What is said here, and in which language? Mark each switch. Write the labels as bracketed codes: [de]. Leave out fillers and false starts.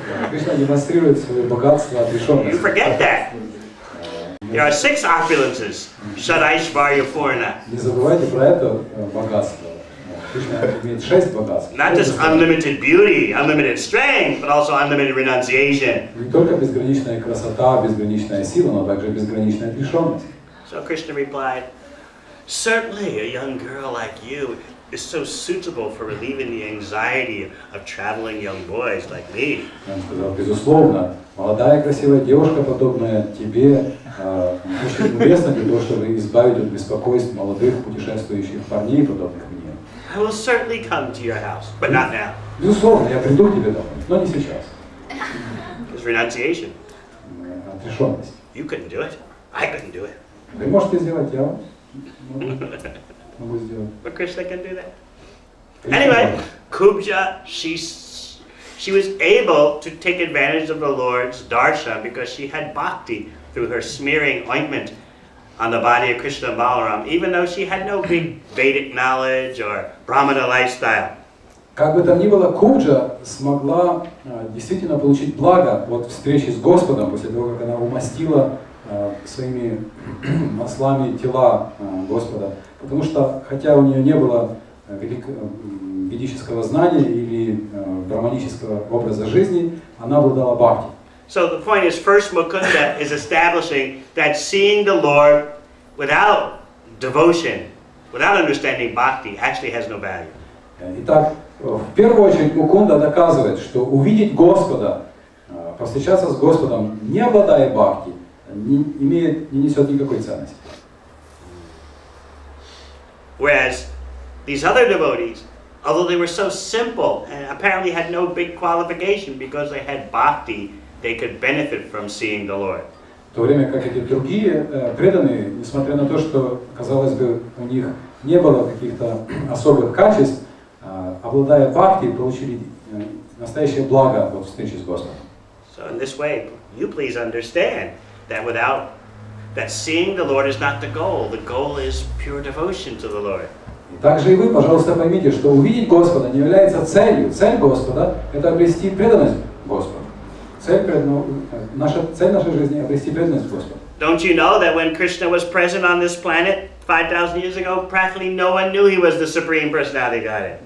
[ru] Кришна демонстрирует свое богатство отрешенность. [en] You forget that. There are six opulences. [sa] Шадайшварья Пурна. [ru] Не забывайте про это богатство. Кришна имеет шесть богатств. [en] Not just unlimited beauty, unlimited strength, but also unlimited renunciation. [ru] Не только безграничная красота, безграничная сила, но также безграничная отрешенность. [en] So Krishna replied, certainly a young girl like you is so suitable for relieving the anxiety of traveling young boys like me. [ru] Он сказал, безусловно, молодая красивая девушка, подобная тебе, очень уместна для того, чтобы избавить от беспокойств молодых путешествующих парней, подобных мне. [en] I will certainly come to your house, but not now. [ru] Безусловно, я приду к тебе домой, но не сейчас. [en] It's renunciation. [ru] Отрешенность. [en] You couldn't do it. I couldn't do it. [ru] Вы можете сделать, я могу сделать. [en] But Krishna can do that. Anyway, Kubja, she was able to take advantage of the Lord's darshan because she had bhakti through her smearing ointment on the body of Krishna and Balaram, even though she had no big Vedic knowledge or Brahmana lifestyle. [ru] Как бы там ни было, Куджа смогла действительно получить благо от встречи с Господом после того, как она умастила своими маслами тела Господа. Потому что, хотя у нее не было ведического знания или брахманического образа жизни, она обладала бхакти. [en] So the point is, first Mukunda is establishing that seeing the Lord without devotion, without understanding bhakti, actually has no value. [ru] Итак, в первую очередь Мукунда доказывает, что увидеть Господа, повстречаться с Господом, не обладая бхакти, не несет никакой ценности. [en] Whereas these other devotees, although they were so simple and apparently had no big qualification because they had bhakti, they could benefit from seeing the Lord. [ru] то время как эти другие преданные, несмотря на то, что, казалось бы, у них не было каких-то особых качеств, обладая бхакти, получили настоящее благо от встречи с Господом. [en] So in this way, you please understand that without that seeing the Lord is not the goal. The goal is pure devotion to the Lord. [ru] Также и вы, пожалуйста, поймите, что увидеть Господа не является целью. Цель Господа – это обрести преданность Господу. Цель нашей жизни – обрести преданность Господу. [en] Don't you know that when Krishna was present on this planet 5,000 years ago, practically no one knew he was the Supreme Personality of Godhead?